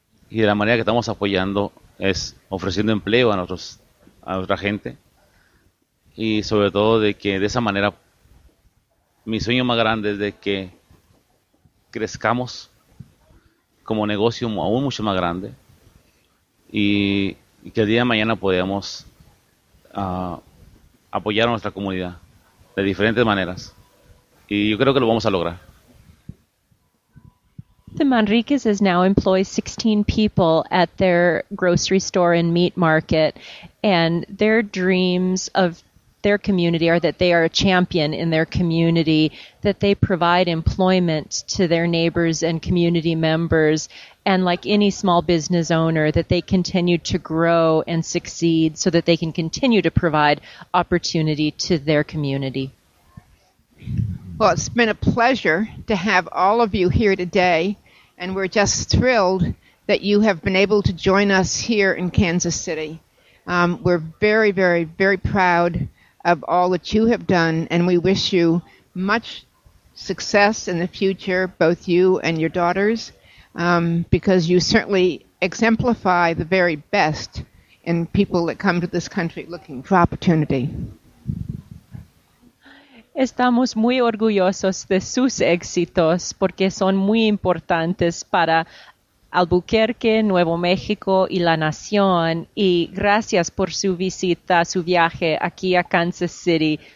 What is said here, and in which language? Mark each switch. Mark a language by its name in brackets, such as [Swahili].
[Spanish] Y de la manera que estamos apoyando es ofreciendo empleo a nuestra gente y sobre todo de que de esa manera mi sueño más grande es de que crezcamos como negocio aún mucho más grande y que el día de mañana podamos apoyar a nuestra comunidad de diferentes maneras y yo creo que lo vamos a lograr. [English] The Manriquez's now employs 16 people at their grocery store and meat market, and their dreams of their community are that they are a champion in their community, that they provide employment to their neighbors and community members, and like any small business owner, that they continue to grow and succeed so that they can continue to provide opportunity to their community. Well, it's been a pleasure to have all of you here today, and we're just thrilled that you have been able to join us here in Kansas City. We're very, very, very proud of all that you have done, and we wish you much success in the future, both you and your daughters, because you certainly exemplify the very best in people that come to this country looking for opportunity. [Spanish] Estamos muy orgullosos de sus éxitos porque son muy importantes para Albuquerque, Nuevo México y la nación. Y gracias por su visita, su viaje aquí a Kansas City.